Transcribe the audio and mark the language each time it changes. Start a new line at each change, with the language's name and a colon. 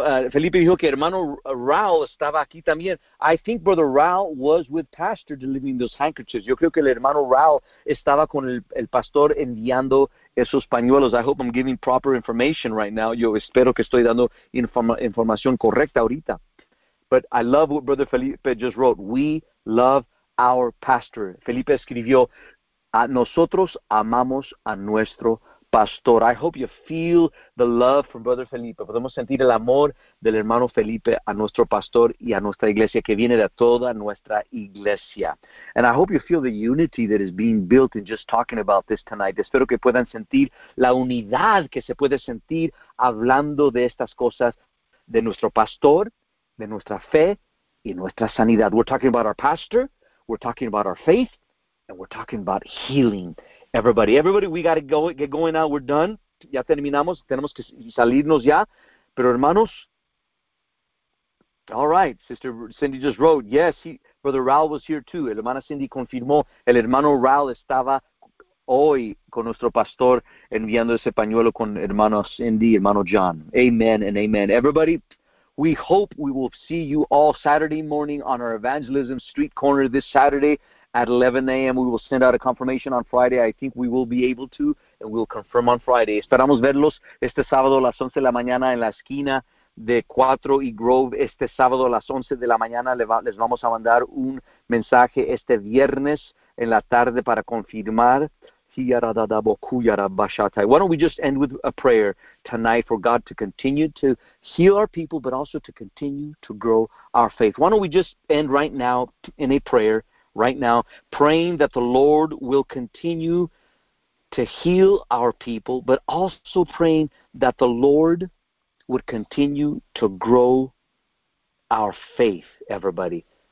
Spanish: Felipe dijo que hermano Raul estaba aquí también.
English: I think Brother Raul was with pastor delivering those handkerchiefs.
Spanish: Yo creo que el hermano Raul estaba con el pastor enviando esos pañuelos.
English: I hope I'm giving proper information right now.
Spanish: Yo espero que estoy dando información correcta ahorita.
English: But I love what Brother Felipe just wrote. We love our pastor.
Spanish: Felipe escribió, a nosotros amamos a nuestro pastor.
English: I hope you feel the love from Brother Felipe.
Spanish: Podemos sentir el amor del hermano Felipe a nuestro pastor y a nuestra iglesia, que viene de toda nuestra iglesia.
English: And I hope you feel the unity that is being built in just talking about this tonight.
Spanish: Espero que puedan sentir la unidad que se puede sentir hablando de estas cosas, de nuestro pastor, de nuestra fe y nuestra sanidad.
English: We're talking about our pastor. We're talking about our faith, and we're talking about healing. Everybody, we got to go, get going now. We're done.
Spanish: Ya terminamos. Tenemos que salirnos ya. Pero hermanos,
English: all right, Sister Cindy just wrote, yes, Brother Raul was here too.
Spanish: El hermana Cindy confirmó, el hermano Raul estaba hoy con nuestro pastor enviando ese pañuelo con hermano Cindy, hermano John.
English: Amen and amen. Everybody, we hope we will see you all Saturday morning on our evangelism street corner this Saturday at 11 a.m. We will send out a confirmation on Friday. I think we will be able to, and we'll confirm on Friday.
Spanish: Esperamos verlos este sábado a las 11 de la mañana en la esquina de 4 y Grove. Este sábado a las 11 de la mañana les vamos a mandar un mensaje este viernes en la tarde para confirmar.
English: Why don't we just end with a prayer tonight for God to continue to heal our people, but also to continue to grow our faith? Why don't we just end right now in a prayer, right now, praying that the Lord will continue to heal our people, but also praying that the Lord would continue to grow our faith, everybody.